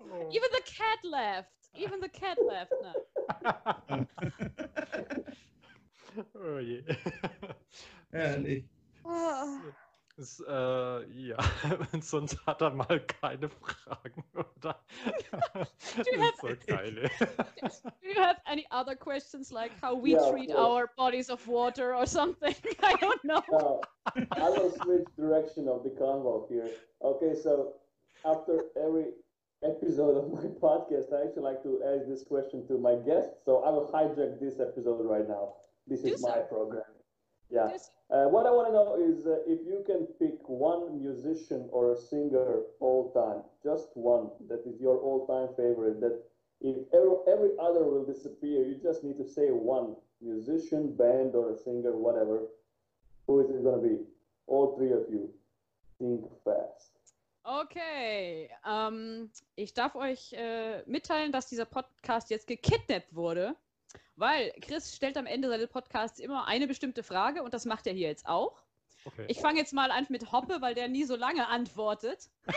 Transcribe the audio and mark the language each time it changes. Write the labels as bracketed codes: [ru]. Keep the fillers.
[en] Even the cat left. Even the cat left now. oh yeah. [de] Ist, äh, ja, sonst hat er mal keine Fragen, oder? [en] Do you, have, Do you have any other questions, like how we yeah, treat our bodies of water or something? I don't know. Uh, I will switch direction of the convo here. Okay, so after every episode of my podcast, I actually like to ask this question to my guests, So I will hijack this episode right now. This Do is so. my program. Yeah. So. Uh, what I want to know is uh, if you can pick one musician or a singer all time, just one that is your all time favorite, that if every, every other will disappear, you just need to say one musician, band, or a singer, whatever. Who is it going to be? All three of you. Think fast. [de] Okay, ähm, ich darf euch äh, mitteilen, dass dieser Podcast jetzt gekidnappt wurde, weil Chris stellt am Ende seines Podcasts immer eine bestimmte Frage und das macht er hier jetzt auch. Okay. Ich fange jetzt mal an mit Hoppe, weil der nie so lange antwortet.